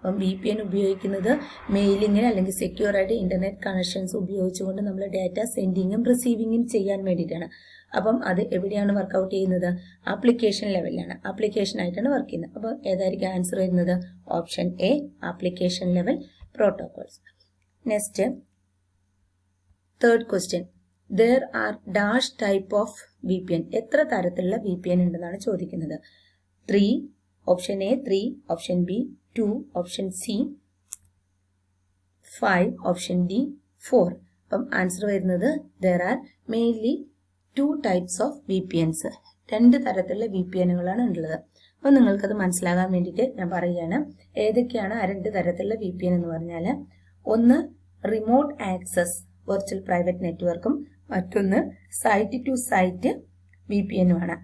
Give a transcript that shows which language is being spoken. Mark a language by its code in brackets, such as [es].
[ml] VPN ഉപയോഗിക്കുന്നത് mailing അല്ലെങ്കിൽ secure ആയിട്ട് ഇന്റർനെറ്റ് കണക്ഷൻസ് ഉപയോഗിച്ചുകൊണ്ട് നമ്മൾ ഡാറ്റ സെൻഡിംഗും റിസീവിംഗും ചെയ്യാൻ വേണ്ടിയിട്ടാണ്. അപ്പം അത് എവിടെയാണ് വർക്ക് ഔട്ട് ചെയ്യുന്നത്? ആപ്ലിക്കേഷൻ ലെവലിലാണ്, ആപ്ലിക്കേഷൻ ആയിട്ടാണ് വർക്ക് ചെയ്യുന്നത്. അപ്പം ഏതായിരിക്കും ആൻസർ വരുന്നത്? Option A application level protocols. [en] Next third question, there are dash type of VPN. [ml] എത്ര തരത്തിലുള്ള VPN ഉണ്ടെന്നാണ് ചോദിക്കുന്നത്. 3 option A, 3 option B, 2 option C, 5 option D, 4. അപ്പം ആൻസർ വരുന്നത് [en] there are mainly two types of VPNs. [ml] രണ്ട് തരത്തിലുള്ള VPNകളാണ് ഉള്ളത്. അപ്പം നിങ്ങൾക്കത് മനസ്സിലാകാൻ വേണ്ടിയിട്ട് ഞാൻ പറയുകയാണ് ഏതൊക്കെയാണ് ആ രണ്ട് തരത്തിലുള്ള VPN എന്ന് പറഞ്ഞാൽ, ഒന്ന് റിമോട്ട് ആക്സസ് വെർച്വൽ പ്രൈവറ്റ് നെറ്റ്വർക്കും മറ്റൊന്ന് site to site V P എനുമാണ്.